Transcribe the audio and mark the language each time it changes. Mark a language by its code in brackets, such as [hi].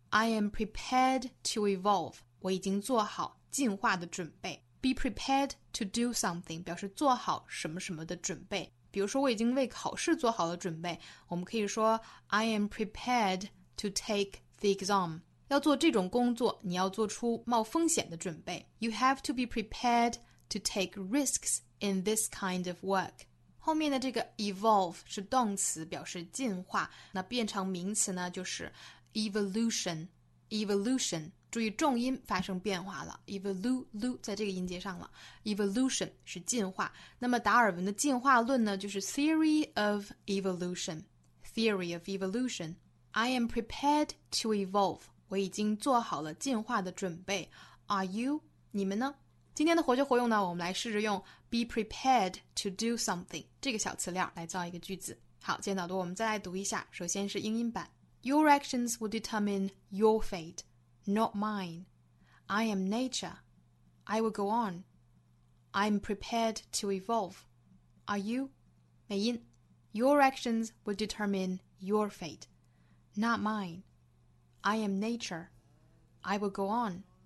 [en] I am prepared to evolve, [zh] 我已经做好进化的准备。 [en] Be prepared to do something, [zh] 表示做好什么什么的准备。比如说我已经为考试做好了准备，我们可以说 [en] I am prepared to take the exam。 [zh] 要做这种工作，你要做出冒风险的准备。 [en] You have to be prepared to take risks in this kind of work. [zh] 后面的这个 evolve 是动词，表示进化。那变成名词呢，就是 evolution. Evolution. 注意重音发生变化了。Evolu 在这个音节上了。 Evolution 是进化。那么达尔文的进化论呢，就是 [en] theory of evolution. Theory of evolution. I am prepared to evolve. [zh] 我已经做好了进化的准备。 [en] Are you? [zh] 你们呢？今天的活学活用呢，我们来试着用 [en] be prepared to do something [zh] 这个小词料来造一个句子。好，今天导读我们再来读一下。首先是英音版。 [en] Your actions will determine your fate, not mine. I am nature. I will go on. I'm prepared to evolve. Are you? [zh] 美音。 [en] Your actions will determine your fate, not mine. I am nature. I will go on.